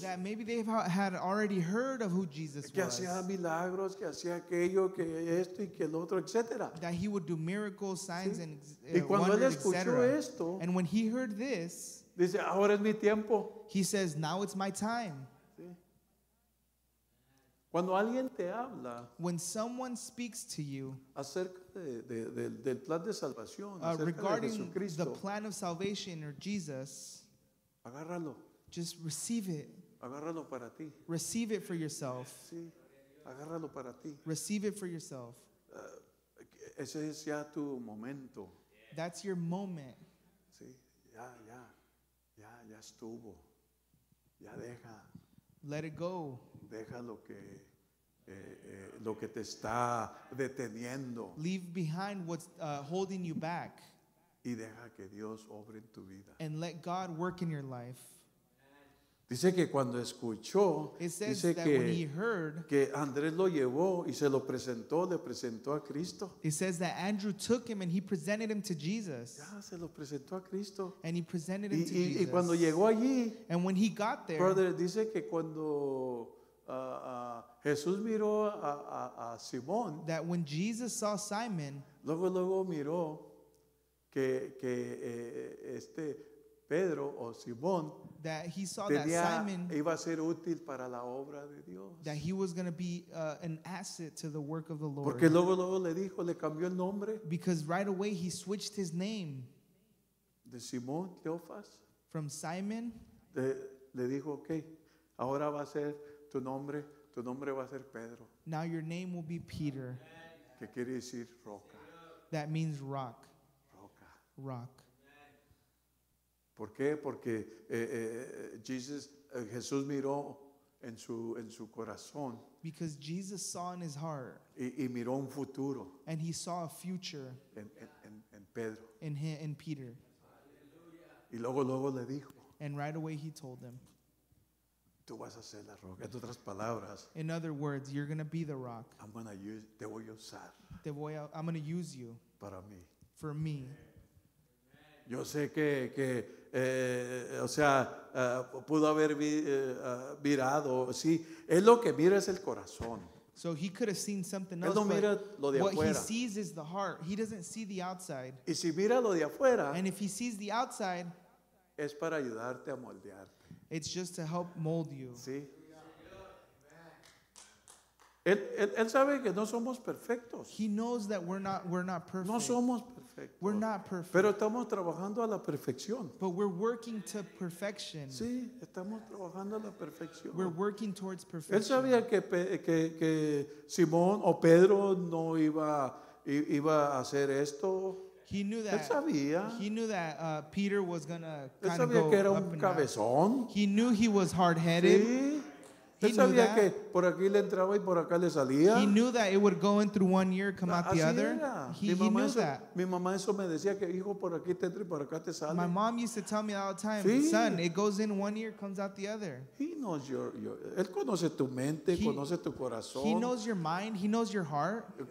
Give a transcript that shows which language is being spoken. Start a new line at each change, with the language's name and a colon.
English: That maybe they had already heard of who Jesus
Spanish: que
English: was.
Spanish: Que hacía milagros, que hacía aquello, que esto y que el otro, etc.
English: That he would do miracles, signs, sí. And
Spanish: y cuando
English: wonders,
Spanish: él escuchó esto,
English: and when he heard this,
Spanish: dice, ahora es mi tiempo.
English: He says, now it's my time.
Spanish: Cuando alguien te habla,
English: when someone speaks to you
Spanish: acerca del plan de salvación,
English: regarding
Spanish: de Jesucristo,
English: the plan of salvation or Jesus,
Spanish: agárralo.
English: Just receive it.
Spanish: Agárralo para ti.
English: Receive it for yourself.
Spanish: Sí. Agárralo para ti.
English: Receive it for yourself.
Spanish: Ese es ya tu momento.
English: That's your moment.
Spanish: Sí. Ya estuvo. Ya deja.
English: Let it go.
Spanish: Deja lo que te está deteniendo.
English: Leave behind what's holding you back.
Spanish: Y deja que Dios obre en tu vida.
English: And let God work in your life.
Spanish: Dice que cuando escuchó,
English: it says
Spanish: dice
English: that
Spanish: que,
English: when he heard,
Spanish: que Andrés lo llevó y se lo presentó, le presentó a Cristo.
English: It says that Andrew took him and he presented him to Jesus.
Spanish: Ya, se lo presentó a Cristo.
English: And he presented him to Jesus.
Spanish: Y cuando llegó allí,
English: and when he got there,
Spanish: brother, dice que cuando Jesús miró a Simón,
English: that when Jesus saw Simon,
Spanish: luego miró que este Pedro o Simón,
English: that he saw that Simon
Spanish: iba a ser útil para la obra de Dios.
English: That he was going to be an asset to the work of the Lord.
Spanish: Porque luego le dijo, le cambió el nombre.
English: Because right away he switched his name.
Spanish: De Simón, Cleofas.
English: From Simon.
Spanish: Le dijo, okay, ahora va a ser tu nombre va a ser Pedro.
English: Now your name will be Peter.
Spanish: Que quiere decir roca.
English: That means rock.
Spanish: Roca.
English: Rock.
Spanish: ¿Por qué? Porque Jesús miró en su corazón.
English: Because Jesus saw in his heart.
Spanish: Y miró un futuro.
English: And he saw a future.
Spanish: En Pedro.
English: In Peter.
Spanish: Y luego le dijo.
English: And right away he told him.
Spanish: Tú vas a ser la roca. En otras palabras.
English: In other words, you're going to be the rock. I'm going to use,
Spanish: te voy a usar.
English: I'm going to use you.
Spanish: Para mí.
English: For me.
Spanish: Yo sé que o sea, pudo haber mirado, sí, él lo que mira es el corazón.
English: So he could have seen something
Spanish: else. Él no mira lo de
English: what
Spanish: afuera.
English: What he sees is the heart. He doesn't see the outside.
Spanish: Y si mira lo de afuera,
English: and if he sees the outside,
Spanish: es para ayudarte a moldearte.
English: It's just to help mold you.
Spanish: Sí. Él sabe que no somos perfectos.
English: He knows that we're not perfect.
Spanish: No somos perfectos.
English: We're not perfect.
Spanish: Pero estamos trabajando a la perfección.
English: But we're working to perfection.
Spanish: Sí, estamos trabajando a la perfección.
English: We're working towards perfection.
Spanish: Él sabía que Simón o Pedro no iba a hacer esto.
English: He knew that.
Spanish: Él sabía.
English: He knew that Peter was gonna kind of go up.
Spanish: Él sabía que era un cabezón.
English: He knew he was hard-headed.
Spanish: Sí.
English: He knew
Spanish: sabía Que por aquí le entraba y por acá le salía.
English: He knew that it would go in through one ear, come out
Spanish: así
English: the other. He knew that. My mom used to tell me all the time, son, it goes in one ear, comes out the other. He knows your
Spanish: él conoce tu mente, conoce tu corazón.
English: He knows your mind, he knows your heart.